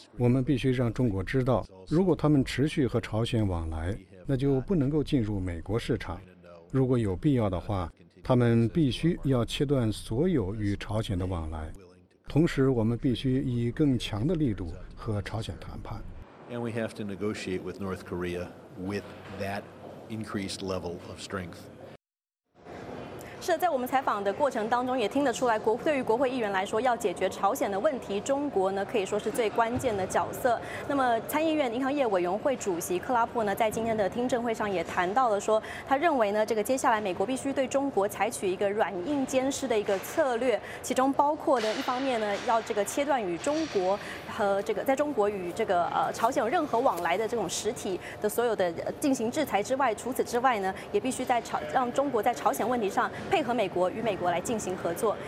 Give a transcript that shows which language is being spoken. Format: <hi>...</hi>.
<zh>我们必须让中国知道，如果他们持续和朝鲜往来，那就不能够进入美国市场。如果有必要的话，他们必须要切断所有与朝鲜的往来。同时，我们必须以更强的力度和朝鲜谈判。</zh> <en>And we have to negotiate with North Korea with that increased level of strength.</en> <zh>是在我们采访的过程当中也听得出来，对于国会议员来说，要解决朝鲜的问题，中国呢可以说是最关键的角色。那么参议院银行业委员会主席克拉珀呢，在今天的听证会上也谈到了说，他认为呢，这个接下来美国必须对中国采取一个软硬兼施的一个策略，其中包括呢，一方面呢，要这个切断与中国和这个在中国与这个朝鲜有任何往来的这种实体的所有的进行制裁之外，除此之外呢，也必须在让中国在朝鲜问题上配合美国，与美国来进行合作。</zh>